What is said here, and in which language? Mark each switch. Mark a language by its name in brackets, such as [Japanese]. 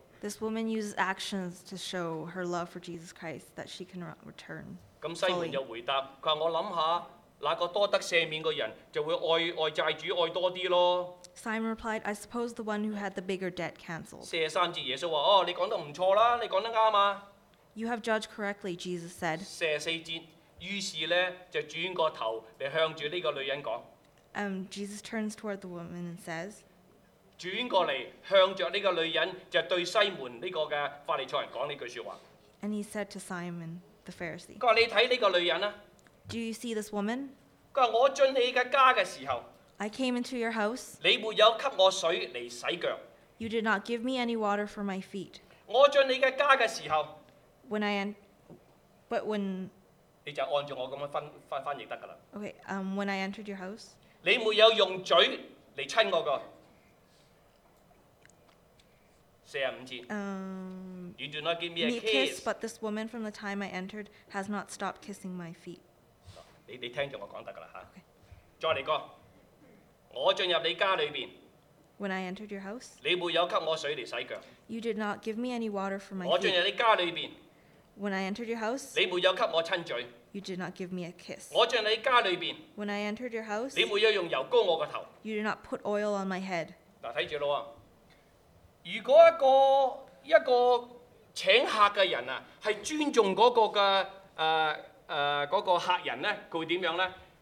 [English] This woman uses actions to show her love for Jesus Christ that she can return. [Cantonese] 咁西門就回答，佢話我諗下。那個多得赦免嘅人就會愛愛債主愛多啲咯。 [English] Simon replied, I suppose the one who had the bigger debt canceled. [Cantonese] 43節耶穌話：哦，你講得唔錯啦，你講得啱啊。 [English] You have judged correctly, Jesus said. [Cantonese] 44節，於是咧就轉個頭嚟向住呢個女人講。 [English] Jesus turns toward the woman and says. [Cantonese] 轉過嚟向著呢個女人就對西門呢個嘅法利賽人講呢句説話。 [English] And he said to Simon the Pharisee. [Cantonese] 佢話：你睇呢個女人啊。 [English] Do you see this woman? [Cantonese] 他說我進你的家的時候, [English] I came into your house. [Cantonese] 你沒有給我水來洗腳, [English] you did not give me any water for my feet. [Cantonese] 我進你的家的時候, [English] when I, but when, [Cantonese] 你就按照我這樣翻譯得了。 [English] Okay, when I entered your house. [Cantonese] 你沒有用嘴來親我的。 [English] You do not give me a kiss, but this woman from the time I entered has not stopped kissing my feet. [Cantonese] 你聽住我講得㗎啦嚇，再嚟個，我進入你家裏邊。 [English] When I entered your house, [Cantonese] 你沒有給我水嚟洗腳。 [English] You did not give me any water for my feet. [Cantonese] 我進入你家裏邊。 [English] When I entered your house, [Cantonese] 你沒有給我親嘴。 [English] You did not give me a kiss. [Cantonese] 我進入你家裏邊。 [English] When I entered your house, [Cantonese] 你沒有用油膏我個頭。 [English] You did not put oil on my head. [Cantonese] 嗱，睇住咯喎，如果一個請客嘅人啊，係尊重嗰個嘅嗰個客人咧，佢會點樣咧？